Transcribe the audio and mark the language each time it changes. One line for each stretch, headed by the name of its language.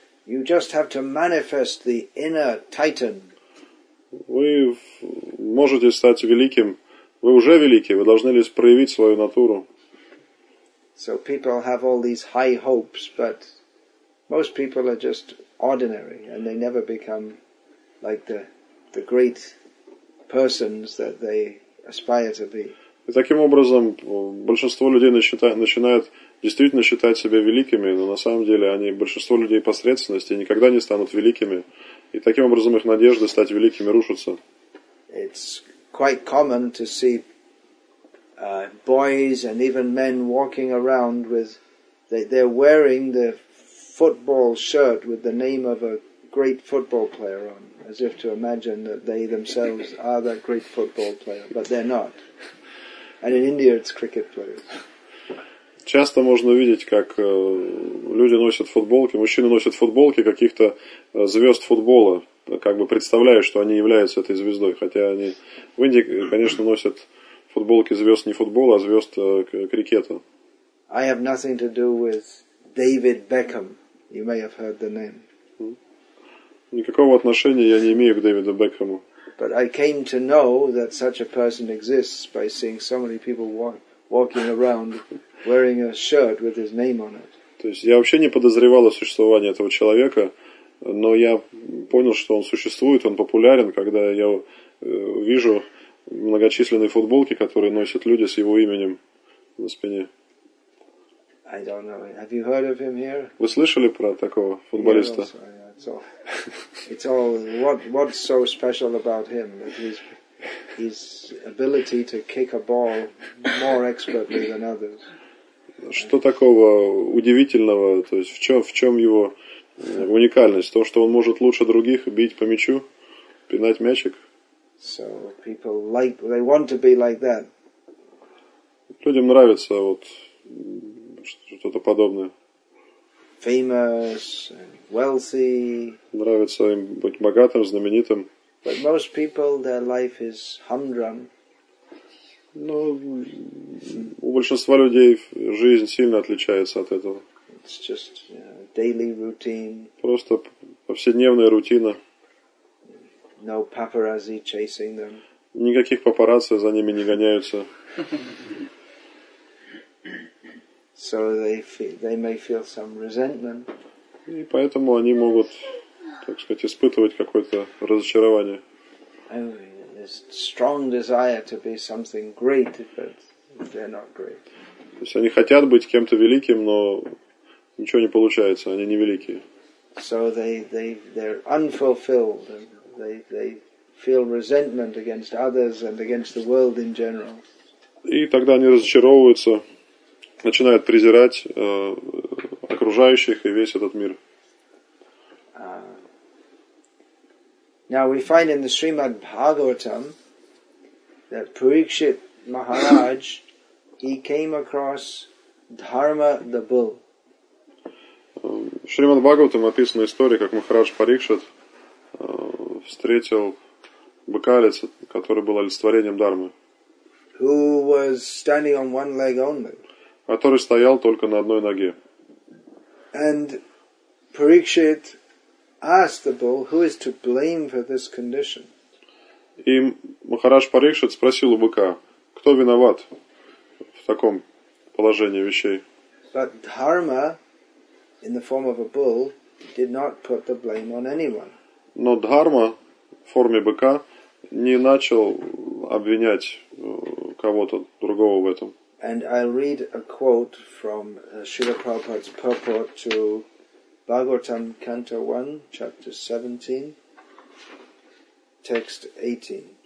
English: You just have to manifest the inner titan.
Russian: Вы можете стать великим. Вы уже великий, вы должны лишь проявить свою натуру.
English: So people have all these high hopes, but most people are just ordinary, and they never become like the great persons that they aspire to be.
Russian: И таким образом, большинство людей начинают действительно считать себя великими, но на самом деле они, большинство людей посредственности, никогда не станут великими, и таким образом их надежды стать великими рушатся.
English: It's quite common to see boys and even men walking around with they're wearing the football shirt with the name of a great football player on, as if to imagine that they themselves are that great football player, but they're not. And in India it's cricket players.
Russian: Часто можно видеть, как люди носят футболки, мужчины носят футболки каких-то звезд футбола, как бы представляя, что они являются этой звездой. Хотя они в Индии, конечно, носят футболки звезд не футбола, а звезд крикета.
English: I have nothing to do with David Beckham. You may have heard the name.
Russian: Никакого отношения я не имею к Дэвиду Бекхэму.
English: But I came to know that such a person exists by seeing so many people walking around wearing a shirt with his name on it.
Russian: То есть я вообще не подозревал о существовании этого человека, но я понял, что он существует, он популярен, когда я вижу многочисленные футболки, которые носят люди с его именем на спине.
English: I don't know. Have you heard of him here?
Russian: Вы слышали про такого футболиста?
English: It's all what's so special about him that his ability to kick a ball more expertly than others.
Russian: Что такого удивительного, то есть в чем его уникальность? То, что он может лучше других бить по мячу, пинать мячик.
English: So people like they want to be like that.
Russian: Людям нравится вот что-то подобное.
English: Famous, wealthy.
Russian: Нравится им быть богатым, знаменитым.
English: But most people, their life is humdrum.
Russian: Но у большинства людей жизнь сильно отличается от этого.
English: It's just daily routine.
Russian: Просто повседневная рутина.
English: No paparazzi chasing them.
Russian: Никаких папарацци за ними не гоняются.
English: So they may feel some resentment.
Russian: И поэтому они могут, так сказать, испытывать какое-то разочарование.
English: There's strong desire to be something great, but they're not great.
Russian: То есть они хотят быть кем-то великим, но ничего не получается, они не великие.
English: So they're unfulfilled, and they feel resentment against others and against the world in general.
Russian: И тогда они разочаровываются, начинают презирать окружающих и весь этот мир.
English: Now we find in the Srimad Bhagavatam that Parikshit Maharaj, he came across Dharma the bull.
Russian: В Шримад Бхагаватам описана история, как Махарадж Парикшит встретил быкалица, который был олицетворением дхармы.
English: Who was standing on one leg only.
Russian: Который стоял только на одной ноге.
English: And Parikshit asked the bull, who is to blame for this condition?
Russian: И Махарадж Парикшит спросил у быка, кто виноват в таком положении вещей?
English: But dharma in the form of a bull did not put the blame on anyone.
Russian: Но дхарма в форме быка не начал обвинять кого-то другого. другого в этом.
English: And I'll read a quote from Srila Prabhupada's purport to Bhagavatam, Canto 1, Chapter 17, Text 18.